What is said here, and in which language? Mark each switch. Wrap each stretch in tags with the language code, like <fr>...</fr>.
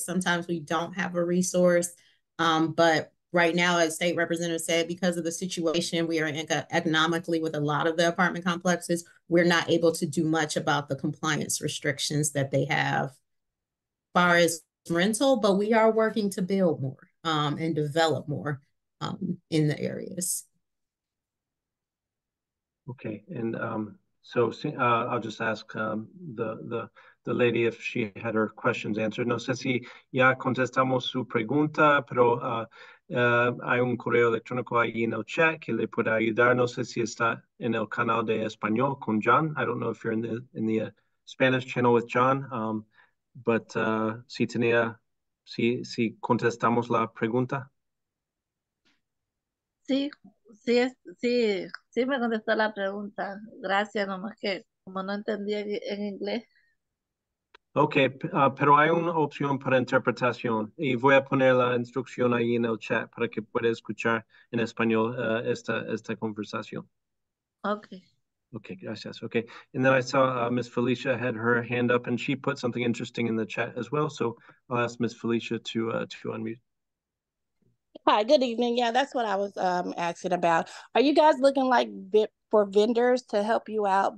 <en>Sometimes we don't have a resource. But right now, as State Representative said, because of the situation we are in economically with a lot of the apartment complexes, we're not able to do much about the compliance restrictions that they have as far as rental, but we are working to build more and develop more in the areas. Okay, and I'll just ask the lady if she had her questions answered.</en> <es>No sé si ya contestamos su pregunta, pero hay un correo electrónico ahí en el chat que le puede ayudar. No sé si está en el canal de español con John.</es> <en>I don't know if you're in the Spanish channel with John, but</en> <es>si tenía, si contestamos la pregunta. Sí. Sí, sí, sí me contestó la pregunta. Gracias, nomás que como no entendía en inglés. Ok, pero hay una opción para interpretación y voy a poner la instrucción ahí en el chat para que pueda escuchar en español esta conversación. Ok.</es> <en>Ok,</en> <es>gracias.</es> <en>Ok, and then I saw Ms. Felicia had her hand up and she put something interesting in the chat as well, so I'll ask Ms. Felicia to unmute. Hi, good evening. Yeah, that's what I was asking about. Are you guys looking like for vendors to help you out?</en>